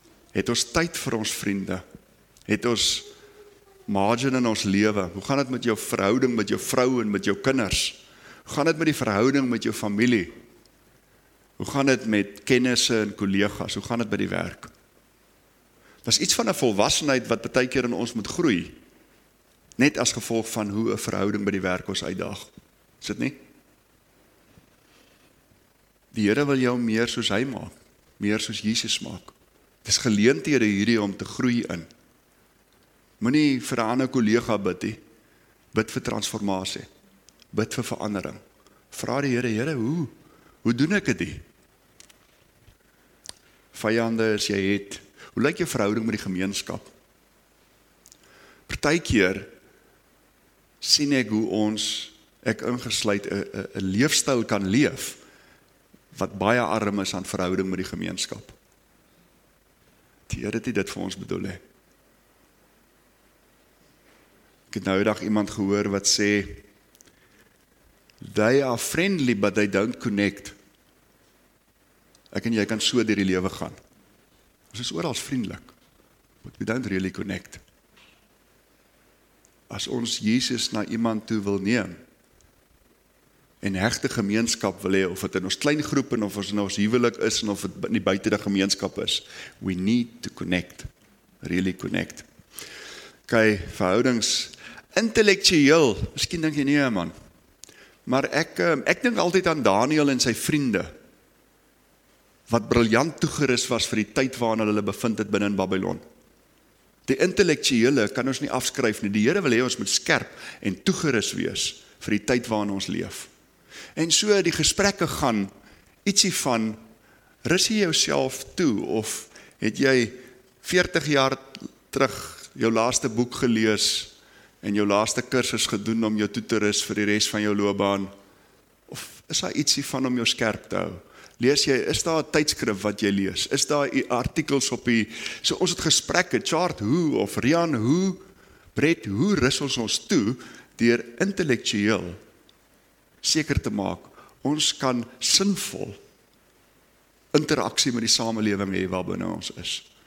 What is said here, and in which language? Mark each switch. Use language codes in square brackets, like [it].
[af] Het ons tyd vir ons vriende? Het ons margin in ons lewe? Hoe gaan dit met jou verhouding met jou vrou en met jou kinders? Hoe gaan dit met die verhouding met jou familie? Hoe gaan dit met kennisse en kollegas? Hoe gaan dit by die werk? Dit is iets van 'n volwassenheid wat baie keer in ons moet groei. Net as gevolg van hoe 'n verhouding by die werk ons uitdaag. Is dit nie? Die Here wil jou meer soos hy maak. Meer soos Jesus maak. Dit is geleenthede hierdie om te groei in. Moenie vir 'n ander kollega bid nie. Bid vir transformasie. Bid vir verandering. Vra die Here, Here, hoe doen ek dit? Vyande as jy het, hoe lyk jou verhouding met die gemeenskap? Partykeer sien ek hoe ek ingesluit 'n leefstyl kan leef wat baie arm is aan verhouding met die gemeenskap. Die Here het nie dit vir ons bedoel nie. Ek het nou eendag iemand gehoor wat sê [en] they are friendly but they don't connect. [af] Ek en jy kan so deur die lewe gaan. Ons is oral vriendelik, [en] but we don't really connect. [af] As ons Jesus na iemand toe wil neem en hegte gemeenskap wil hê, of dit in ons klein groep en of ons in ons huwelik is en of dit in die buitede gemeenskap is, [en] we need to connect, really connect. [af] Okay, verhoudings. Intellektueel, miskien dink jy nie, man. Maar ek dink altyd aan Daniel en sy vriende, wat briljant toegerus was vir die tyd waarin hulle bevind het binne in Babylon. Die intellektuele kan ons nie afskryf nie. Die Here wil hê ons moet skerp en toegerus wees vir die tyd waarin ons leef. En so die gesprekke gaan ietsie van, rus jy jouself toe of het jy 40 jaar terug jou laaste boek gelees en jou laaste kursus gedoen om jou toe te rus vir die res van jou loopbaan? Of is daar ietsie van om jou skerp te hou? Lees jy, is daar 'n tydskrif wat jy lees? Is daar artikels op die, so ons het gesprekke, Chart Hoe of Rian Hoe, Brett Hoe rus ons toe deur intellektueel seker te maak, ons kan sinvol interaksie met die samelewing hê waarbinne ons is.